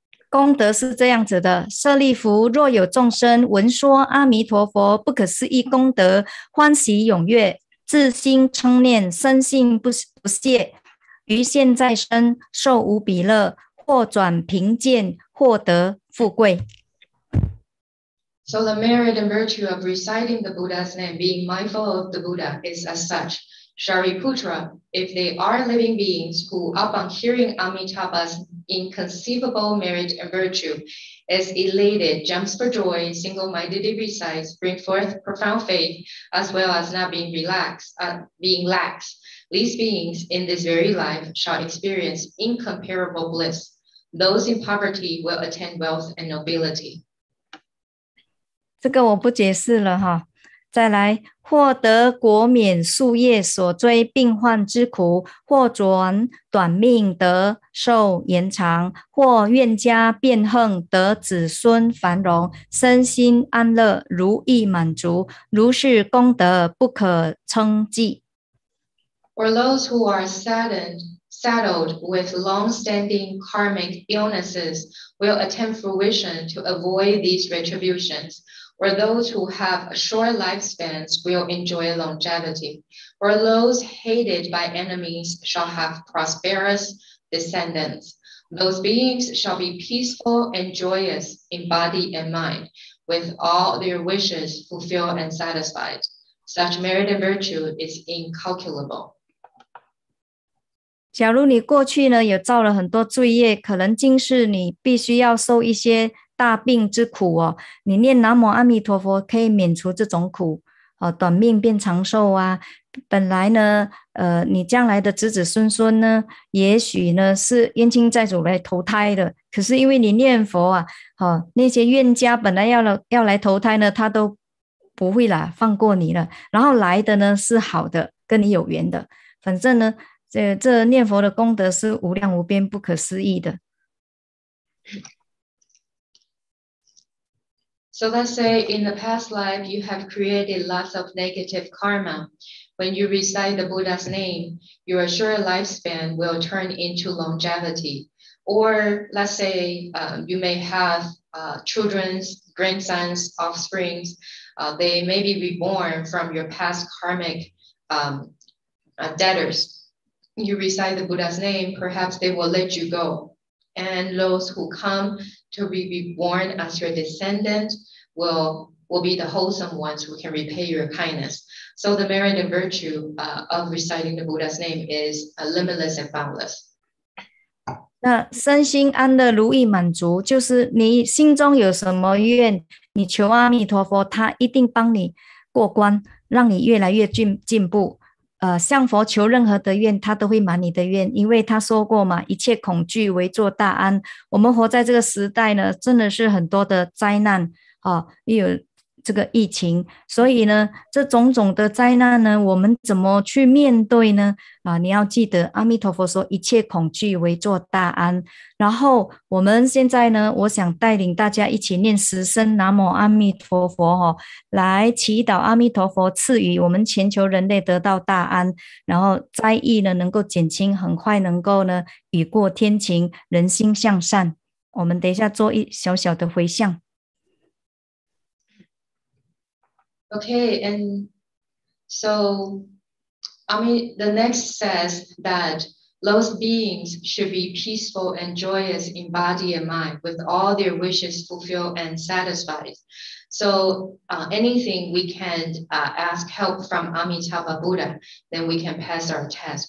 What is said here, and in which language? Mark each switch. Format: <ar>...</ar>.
<zh>功德是这样子的，舍利弗，若有众生闻说阿弥陀佛不可思议功德，欢喜踊跃，自心称念，深信不懈，于现在身受无比乐，或转贫贱，获得富贵。</zh> <en>So the merit and virtue of reciting the Buddha's name, being mindful of the Buddha, is as such. Shariputra, if they are living beings who, upon hearing Amitabha's inconceivable merit and virtue, is elated, jumps for joy, single-mindedly recites, bring forth profound faith, as well as not being relaxed, being lax, these beings in this very life shall experience incomparable bliss. Those in poverty will attain wealth and nobility.</en> <zh>这个我不解释了哈。再来，获得国免宿业所追病患之苦，或转短命得寿延长，或怨家变横得子孙繁荣，身心安乐，如意满足，如是功德不可称计。</zh> <en>For those who are saddled with long-standing karmic illnesses, will attempt fruition to avoid these retributions. Or those who have short lifespans will enjoy longevity. Or those hated by enemies shall have prosperous descendants. Those beings shall be peaceful and joyous in body and mind, with all their wishes fulfilled and satisfied. Such merit and virtue is incalculable.</en> <zh>假如你过去呢也造了很多罪业，可能今世你必须要受一些大病之苦哦。你念南无阿弥陀佛可以免除这种苦，短命变长寿啊。本来呢，你将来的子子孙孙呢，也许呢是冤亲债主来投胎的，可是因为你念佛啊，那些冤家本来要来投胎呢，他都不会啦，放过你了。然后来的呢是好的，跟你有缘的，反正呢。这念佛的功德是无量无边不可思议的。</zh> <en>So let's say in the past life you have created lots of negative karma. When you recite the Buddha's name, your short lifespan will turn into longevity. Or let's say you may have children's, grandsons, offsprings. They may be reborn from your past karmic debtors. You recite the Buddha's name, perhaps they will let you go. And those who come to be reborn as your descendant will be the wholesome ones who can repay your kindness. So the merit and virtue of reciting the Buddha's name is limitless and boundless.</en> <zh>那身心安乐如意满足，就是你心中有什么愿，你求阿弥陀佛，他一定帮你过关，让你越来越进步。向佛求任何的愿，他都会满你的愿，因为他说过嘛，一切恐惧为作大安。我们活在这个时代呢，真的是很多的灾难啊，又有这个疫情，所以呢，这种种的灾难呢，我们怎么去面对呢？你要记得，阿弥陀佛说，一切恐惧为作大安。然后我们现在呢，我想带领大家一起念十声南无阿弥陀佛哦，来祈祷阿弥陀佛赐予我们全球人类得到大安，然后灾疫呢能够减轻，很快能够呢雨过天晴，人心向善。我们等一下做一小小的回向。</zh> <en>Okay, and so I mean, the next says that those beings should be peaceful and joyous in body and mind with all their wishes fulfilled and satisfied. So anything we can ask help from Amitabha Buddha, then we can pass our test.</en>